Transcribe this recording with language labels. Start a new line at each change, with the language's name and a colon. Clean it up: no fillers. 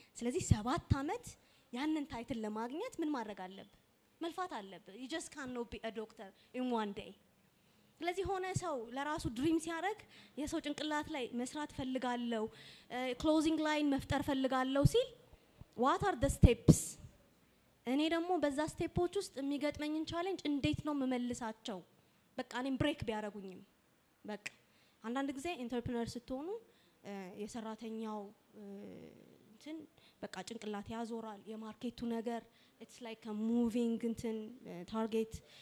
Amharic: ስለዚህ 7 አመት ያንን ታይትል ለማግኘት ምን ማድረግ አለብህ? መልፋት አለብህ.
English: You just cannot be a doctor in one day.
Amharic: ስለዚህ ሆነ ሰው ለራሱ ድሪም ሲያረግ የሰው ጭንቅላት ላይ መስራት ፈልጋለሁ ክሎዚንግ ላይን መፍጠር ፈልጋለሁ ሲል
English: what are the steps?
Amharic: እኔ ደግሞ በዛ ስቴፖች ውስጥ የሚገጥመኝን ቻሌንጅ እንዴት ነው መመለሳቸው? በቃ እኔም ብሬክ ቢያረጉኝም በቃ አንዳንድ ጊዜ ኢንተርፕረነር ስትሆኑ የሰራተኛው እንትን በቃ ጭንቅላት ያዞራል የማርኬቱ ነገር
English: it's like a moving
Amharic: እንትን target